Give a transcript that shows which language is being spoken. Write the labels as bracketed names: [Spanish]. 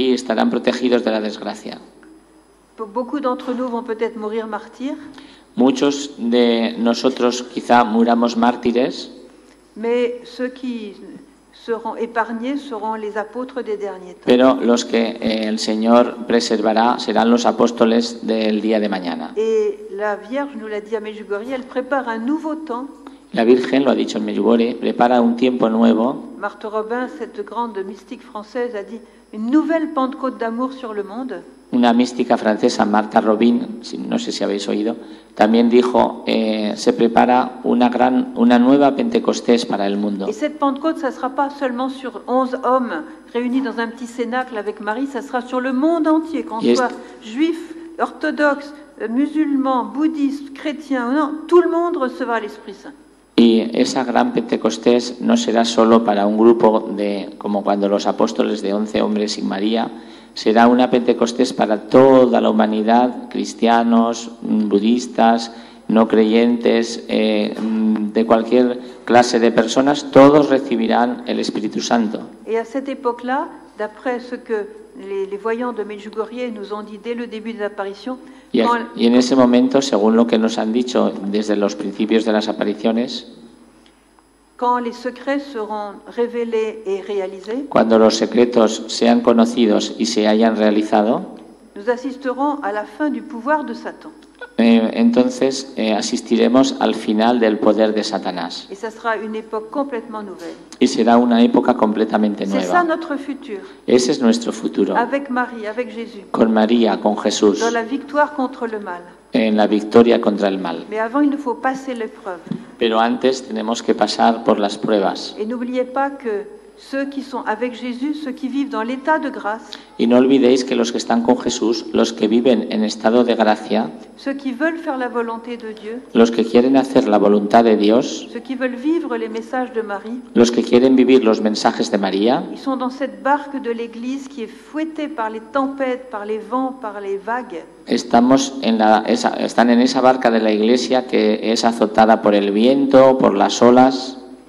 [Spanish] Y estarán protegidos de la desgracia. [French] Beaucoup d'entre nous vont peut-être mourir martyrs. [Spanish] Muchos de nosotros quizá muramos mártires. [French] Mais ceux qui seront épargnés seront les apôtres des derniers temps. [Spanish] Pero los que el Señor preservará serán los apóstoles del día de mañana. [French] Et la Vierge nous l'a dit à Medjugorje, elle prépare un nouveau temps. [Spanish] La Virgen lo ha dicho en Medjugorje, prepara un tiempo nuevo. [French] Marthe Robin, cette grande mystique française, a dit une nouvelle Pentecôte d'amour sur le monde. [Spanish] Una mística francesa, Marta Robin, no sé si habéis oído, también dijo, se prepara una nueva Pentecostés para el mundo. Y esta Pentecostés, [French] ça sera pas seulement sur 11 hommes réunis dans un petit cénacle avec Marie, ça sera sur le monde entier, qu'on soit juif, orthodoxe, musulman, bouddhiste, chrétien, non, tout le monde recevra l'Esprit Saint. [Spanish] Y esa gran Pentecostés no será solo para un grupo de, como cuando los apóstoles de 11 hombres y María, será una Pentecostés para toda la humanidad, cristianos, budistas, no creyentes, de cualquier clase de personas, todos recibirán el Espíritu Santo. [French] Y a cette époque-là, d'après ce que les voyants de Medjugorje nous ont dit dès le début de l'apparition, [Spanish] y en ese momento, según lo que nos han dicho desde los principios de las apariciones, [French] quand les secrets seront révélés et réalisés, [Spanish] cuando los secretos sean conocidos y se hayan realizado, [French] nous assisterons à la fin du pouvoir de Satan. [Spanish] Entonces asistiremos al final del poder de Satanás. [French] Et ça sera une époque complètement nouvelle. [Spanish] Y será una época completamente nueva. [French] C'est ça notre futur. [Spanish] Ese es nuestro futuro. [French] Avec Marie, avec Jésus. [Spanish] Con María, con Jesús. [French] Dans la victoire contre le mal. [Spanish] En la victoria contra el mal. [French] Mais avant, il nous faut passer l'épreuve. [Spanish] Pero antes tenemos que pasar por las pruebas. [French] Et n'oubliez pas que ceux qui sont avec Jésus, ceux qui vivent dans l'état de grâce. [Spanish] Y no olvidéis que los que están con Jesús, los que viven en estado de gracia. [French] Ceux qui veulent faire la volonté de Dieu. [Spanish] Los que quieren hacer la voluntad de Dios. [French] Ceux qui veulent vivre les messages de Marie. [Spanish] Los que quieren vivir los mensajes de María. [French] Ils sont dans cette barque de l'Église qui est fouettée par les tempêtes, par les vents, par les vagues. [Spanish] Están en esa barca de la Iglesia que es azotada por el viento, por las olas.